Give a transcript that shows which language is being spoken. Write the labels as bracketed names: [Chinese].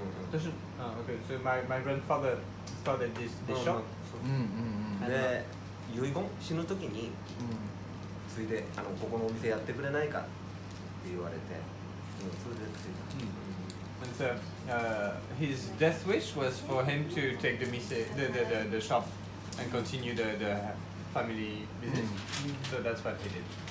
[English] 私、okay, so my grandfather started this shop. [Japanese] で、遺言死ぬ時に、ついでここのお店やってくれないかって言われて、それでついた。 [English] And so, his death wish was for him to take the mise, the shop and continue the family business. So that's what he did.